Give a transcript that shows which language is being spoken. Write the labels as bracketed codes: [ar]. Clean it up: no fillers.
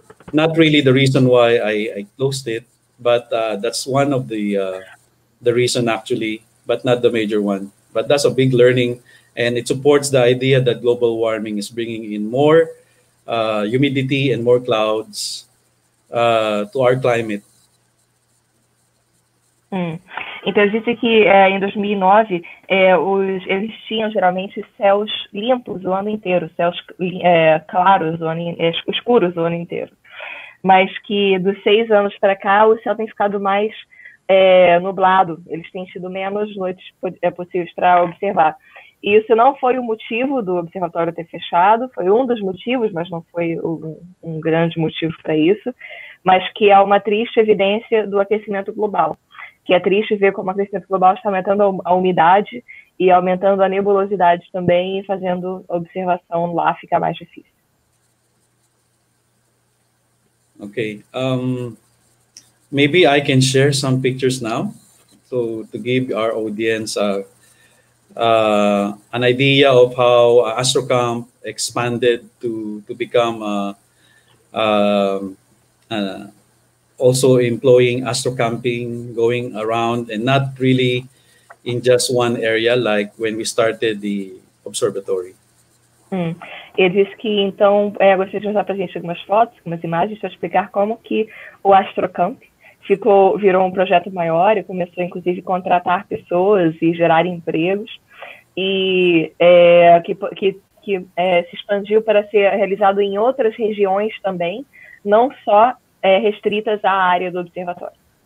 [en] Not really the reason why I closed it, but that's one of the reason actually, but not the major one. But that's a big learning, and it supports the idea that global warming is bringing in more humidity and more clouds to our climate. [pt] Então, eu disse que em 2009, eles tinham geralmente céus limpos o ano inteiro, céus claros, escuros o ano inteiro. Mas que dos 6 anos para cá, o céu tem ficado mais nublado, eles têm tido menos noites possíveis para observar. E isso não foi o motivo do observatório ter fechado, foi um dos motivos, mas não foi um grande motivo para isso, mas que é uma triste evidência do aquecimento global. Que é triste ver como o aquecimento global está aumentando a umidade e aumentando a nebulosidade também, e fazendo observação lá fica mais difícil. Ok. [en] Maybe I can share some pictures now to give our audience an idea of how Astrocamp expanded to become also employing astrocamping, going around, and not really in just one area like when we started the observatory. [pt] Ele disse que, então, gostaria de mostrar para a gente algumas fotos, algumas imagens, para explicar como que o Astrocamp virou um projeto maior e começou, inclusive, a contratar pessoas e gerar empregos, e que se expandiu para ser realizado em outras regiões também, não só restritas à área do observatório.